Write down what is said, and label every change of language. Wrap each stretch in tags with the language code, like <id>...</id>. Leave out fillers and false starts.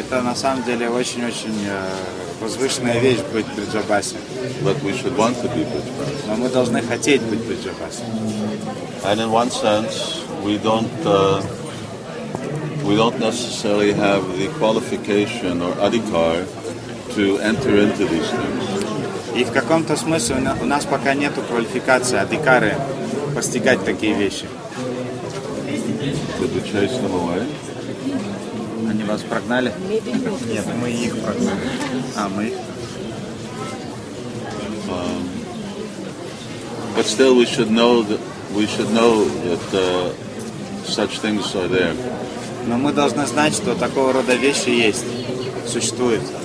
<ru>Это на самом деле очень-очень возвышенная вещь быть преджабаси.</ru> <en>But we should want to be преджабаси.</en> <ru>Но мы должны хотеть быть преджабаси.</ru> <en>And in one sense, we don't necessarily have the qualification or adhikar to enter into these things.</en> <ru>И в каком-то смысле у нас пока нету квалификации, адикары, постигать такие вещи.</ru> <en>Did you chase them away?</en> <ru>Они вас прогнали? Нет, мы их прогнали. А, мы их.</ru> <en>But still we should know that such things are there.</en> <ru>Но мы должны знать, что такого рода вещи есть, существуют.</ru>